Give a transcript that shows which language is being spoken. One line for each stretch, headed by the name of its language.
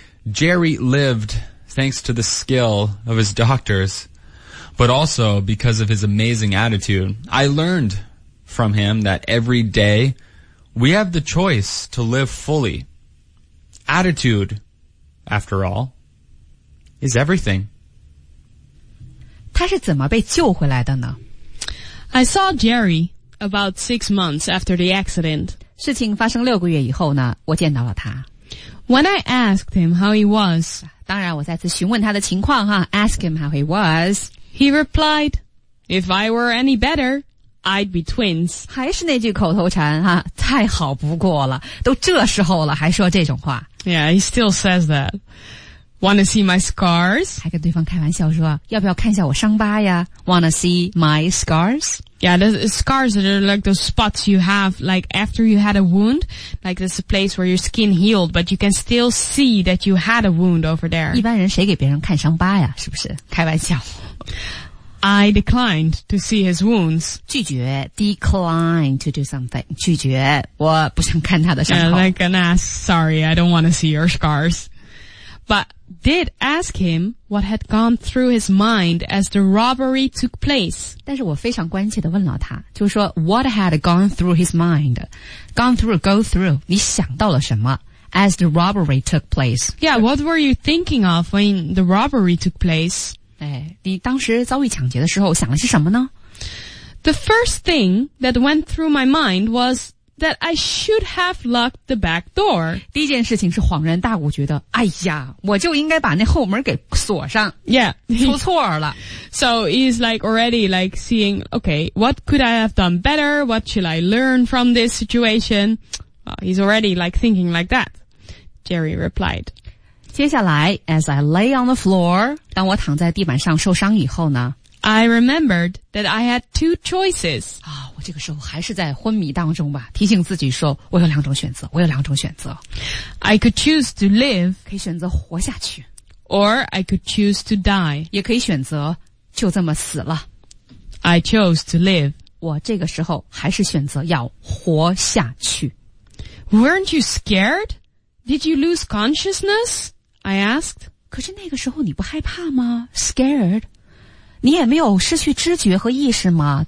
English: Jerry lived thanks to the skill of his doctors, but also because of his amazing attitude. I learned from him that every day we have the choice to live fully. Attitude, after all, is everything.
Chinese: 他是怎么被救回来的呢?
English: I saw Jerry about 6 months after the accident.
Chinese: 事情发生6个月以后呢, 我见到了他。
English: When I asked him how he was,
Chinese: 当然我再次询问他的情况哈,
English: ask him how he was, he replied, "If I were any better, I'd be twins."
Chinese: 还是那句口头禅哈, 太好不过了,都这时候了, 还说这种话。
English: Yeah, he still says that. "Want to see my scars?"
Chinese: 还跟对方开玩笑说, 要不要看一下我伤疤呀?
English: "Want to see my scars?" Yeah, the scars are like those spots you have, like after you had a wound, like this place where your skin healed, but you can still see that you had a wound over there.
Chinese: 一般人谁给别人看伤疤呀?是不是?开玩笑。
English: I declined to see his wounds.
Chinese: 拒绝,
English: decline to do something.
Chinese: 拒绝, 我不想看他的伤口。
English: Yeah, like an ass, "Sorry, I don't want to see your scars." But did ask him what had gone through his mind as the robbery took place.
Chinese: 但是我非常关切地问了他, 就是说,
English: what had gone through his mind? Gone through, go through.
Chinese: 你想到了什么?
English: As the robbery took place. Yeah, what were you thinking of when the robbery took place?
Chinese: 哎,你当时遭遇抢劫的时候想的是什么呢?
English: The first thing that went through my mind was that I should have locked the back door.
Chinese: 第一件事情是恍然大悟觉得, 哎呀,我就应该把那后门给锁上。
English: Yeah.
Chinese: 出错了。
English: So he's like already like seeing, okay, what could I have done better? What should I learn from this situation? Well, he's already like thinking like that, Jerry replied.
Chinese: 接下来,
English: as I lay on the floor,
Chinese: 当我躺在地板上受伤以后呢,
English: I remembered that I had two choices.
Chinese: 我这个时候还是在昏迷当中吧, 提醒自己说, 我有两种选择, 我有两种选择。
English: I could choose to live.
Chinese: 可以选择活下去。
English: Or I could choose to die.
Chinese: 也可以选择就这么死了。
English: I chose to live.
Chinese: 我这个时候还是选择要活下去。
English: Weren't you scared? Did you lose consciousness? I asked.
Chinese: 可是那个时候你不害怕吗?
English: Scared.
Chinese: 你也没有失去知觉和意识吗?